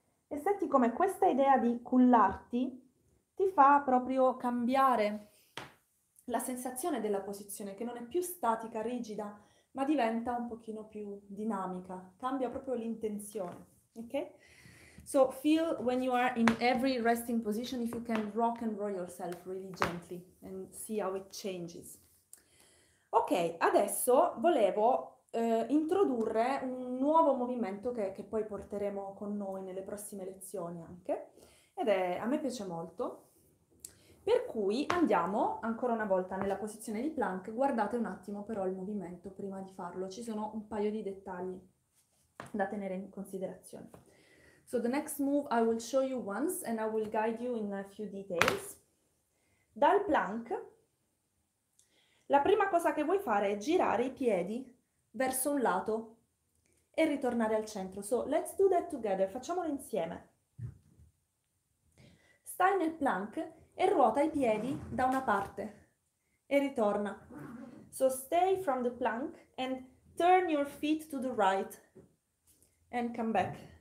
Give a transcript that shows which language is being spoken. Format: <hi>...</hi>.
<it>E senti come questa idea di cullarti ti fa proprio cambiare la sensazione della posizione, che non è più statica, rigida, ma diventa un pochino più dinamica, cambia proprio l'intenzione, ok?</it> <en>So feel when you are in every resting position if you can rock and roll yourself really gently and see how it changes.</en> <it>Ok, adesso volevo introdurre un nuovo movimento che poi porteremo con noi nelle prossime lezioni anche, ed è, a me piace molto, per cui andiamo ancora una volta nella posizione di plank. Guardate un attimo però il movimento prima di farlo, ci sono un paio di dettagli da tenere in considerazione.</it> <en>So the next move I will show you once and I will guide you in a few details.</en> <it>Dal plank, la prima cosa che vuoi fare è girare i piedi verso un lato e ritornare al centro.</it> <en>So let's do that together,</en> <it>facciamolo insieme. Stai nel plank e ruota i piedi da una parte e ritorna.</it> <en>So stay from the plank and turn your feet to the right and come back.</en>